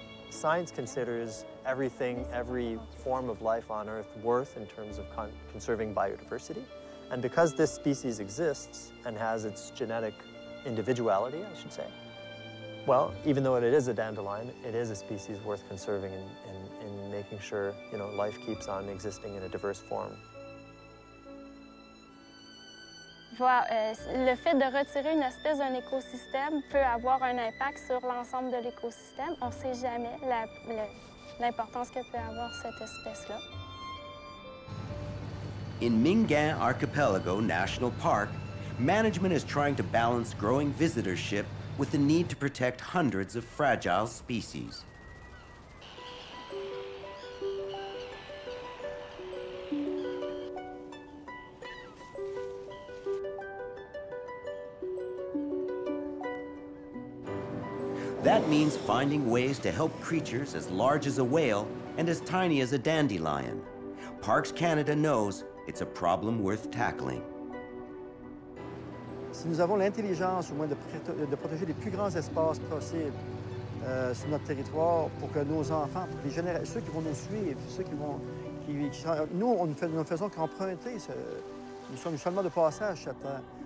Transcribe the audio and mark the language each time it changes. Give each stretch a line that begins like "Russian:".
English: Science considers everything, every form of life on Earth worth in terms of conserving biodiversity. And because this species exists and has its genetic individuality, I should say, well, even though it is a dandelion, it is a species worth conserving and making sure, you know, life keeps on existing in a diverse form.
French: Le fait de retirer une espèce d'un écosystème peut avoir un impact sur l'ensemble de l'écosystème. On ne sait jamais l'importance que peut avoir cette espèce-là.
English: In Mingan Archipelago National Park, management is trying to balance growing visitorship with the need to protect hundreds of fragile species. That means finding ways to help creatures as large as a whale and as tiny as a dandelion. Parks Canada knows it's a problem worth tackling.
French: Si nous avons l'intelligence au moins de protéger les plus grands espaces possibles sur notre territoire pour que nos enfants, pour les ceux qui vont nous suivre, ceux qui vont... nous faisons qu'emprunter. Nous sommes seulement de passage, cette terre.